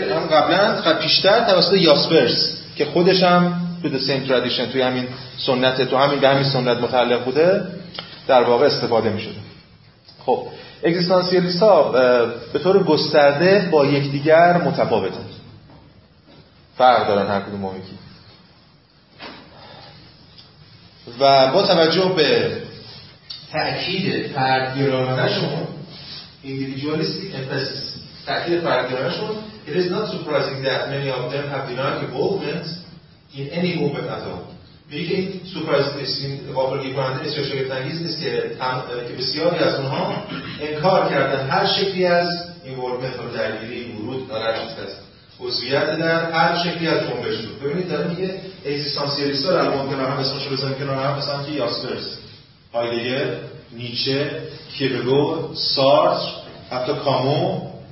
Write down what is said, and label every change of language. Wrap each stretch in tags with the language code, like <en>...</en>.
<fa>قبلا پیشتر توسط یاسپرس که خودش هم تو</fa> <en>the same tradition</en> <fa>توی همین سنت تو همین به همین سنت متعلق بوده در واقع استفاده می شده. خب اگزیستانسیالیست ها به طور گسترده با یکدیگر متفاوتند، فرق دارن هر کدوم یکی و با توجه به تأکید فردگرایانه‌شون</fa> <en>individualistic emphasis تأکید فردگرایانه‌شون it is not surprising that many of them have denied involvement in any movement at all.</en> <fa>میگه این سوپرستیسین قابلگی کننده بسیار شگفت‌انگیز نیست که بسیاری از اونها انکار کردن هر شکلی از اینوالومنت و درگیری ورود در هر شکلی از عضویت در هر شکلی از جنبش رو ببینید داره میگه اگزیستانسیالیست ها رو ممکنه هم اسمش رو بزنیم کنار هم مثلا که یاسپرس هایدگر نیچه کیرکگور سارتر حتی کامو</fa>